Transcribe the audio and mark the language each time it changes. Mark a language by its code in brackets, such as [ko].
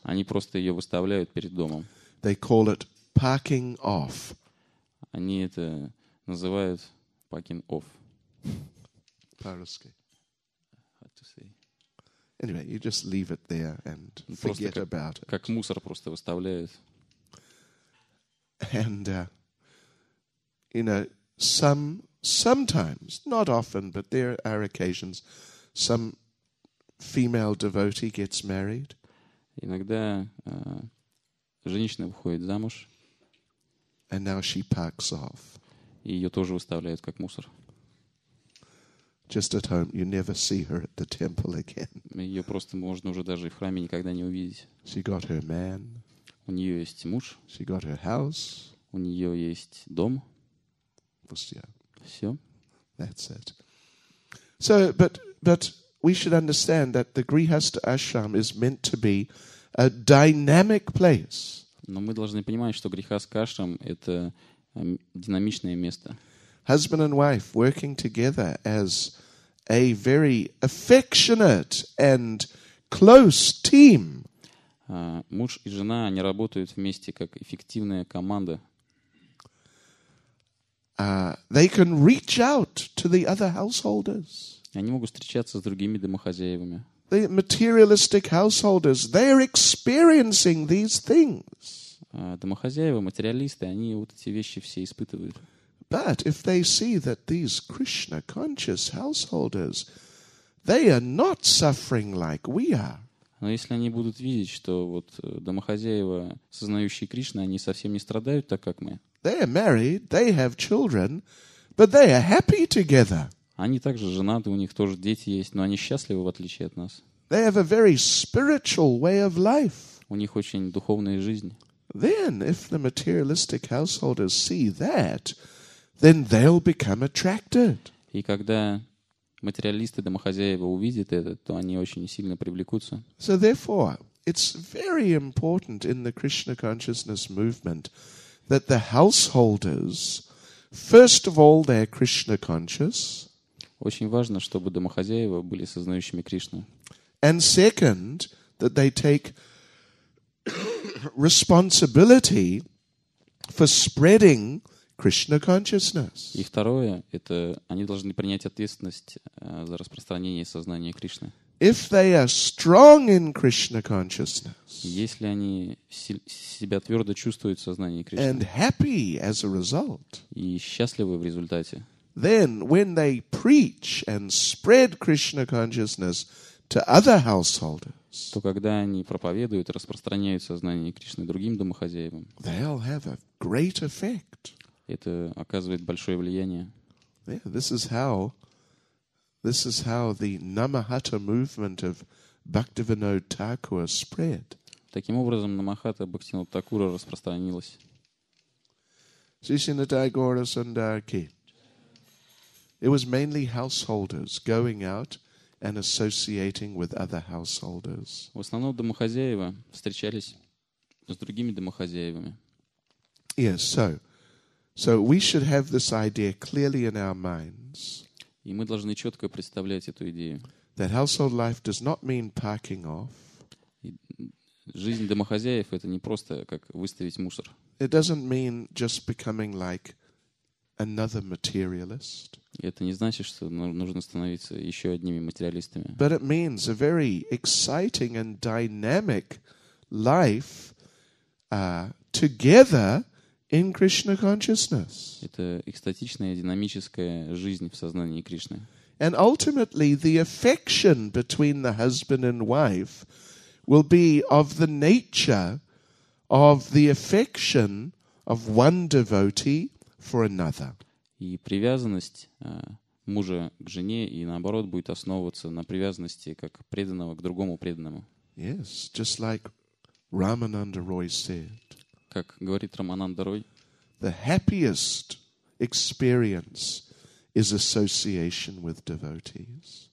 [ru] Они просто ее выставляют перед домом. [en] They call it parking off. [ru] Они это называют [en] parking off. [ru] По-русски. [en] How to say? Anyway, you just leave it there and forget about it. [ru] Как мусор просто выставляют. [en] And you know, sometimes, not often, but there are occasions, some female devotee gets married. [ru] Иногда женщина выходит замуж. [en] And now she packs off. [ru] И ее тоже выставляют как мусор. [en] Just at home, you never see her at the temple again. [ru] Ее просто можно уже даже в храме никогда не увидеть. [en] She got her man. [ru] У нее есть муж. [en] She got her house. [ru] У нее есть дом. Пустя. Все. [en] That's it. So, but we should understand that the Grihastha ashram is meant to be a dynamic place. [ru] Но мы должны понимать, что Грихастха ашрам — это динамичное место. [en] husband and wife working together as a very affectionate and close team. [ru] Муж и жена, они работают вместе как эффективная команда. [en] They can reach out to the other householders. [ru] Они могут встречаться с другими домохозяевами. [en] The materialistic householders, they are experiencing these things. [ru] Домохозяева, материалисты, они вот эти вещи все испытывают. [en] But if they see that these Krishna conscious householders, they are not suffering like we are. [ru] Но если они будут видеть, что вот домохозяева, сознающие Кришну, они совсем не страдают так, как мы. [en] They are married, they have children, but they are happy together. [ru] Они также женаты, у них тоже дети есть, но они счастливы в отличие от нас. [en] They have a very spiritual way of life. [ru] У них очень духовная жизнь. [en] Then, if the materialistic householders see that, then they'll become attracted. [ru] И когда материалисты, домохозяева увидят это, то они очень сильно привлекутся. [en] So therefore, it's very important in the Krishna consciousness movement that the householders, first of all, they're Krishna conscious. [ru] Очень важно, чтобы домохозяева были сознающими Кришну. [en] And second, that they take responsibility for spreading Krishna consciousness. [ru] И второе, это они должны принять ответственность за распространение сознания Кришны. [en] If they are strong in Krishna consciousness, [ru] если они себя твердо чувствуют в сознании Кришны, [en] and happy as a result, [ru] и счастливы в результате, [en] then when they preach and spread Krishna consciousness to other householders, [ru] то когда они проповедуют и распространяют сознание Кришны другим домохозяевам, [en] they'll have a great effect. [ru] Это оказывает большое влияние. [en] Yeah, this is how the Namahata movement of Bhaktivinoda Thakura spread. [ru] Таким образом, Намахата Бхактивинода Тхакура распространилась. Сисинатай Гора Сандарки. [en] It was mainly householders going out and associating with other householders. [ru] В основном домохозяева встречались с другими домохозяевами. [en] Yes, so we should have this idea clearly in our minds. [ru] И мы должны четко представлять эту идею. [en] That household life does not mean parking off. [ru] Жизнь домохозяев это не просто как выставить мусор. [en] It doesn't mean just becoming like another materialist. [ru] Это не значит, что нужно становиться еще одними материалистами. [en] But it means a very exciting and dynamic life together in Krishna consciousness. [ru] Это экстатичная динамическая жизнь в сознании Кришны. [en] And ultimately the affection between the husband and wife will be of the nature of the affection of one devotee for another. [ru] И привязанность мужа к жене и наоборот будет основываться на привязанности как преданного к другому преданному. [en] Yes, just like Ramananda Roy said. [ru] Как говорит Рамананда Рой, [en] the happiest experience is association with devotees.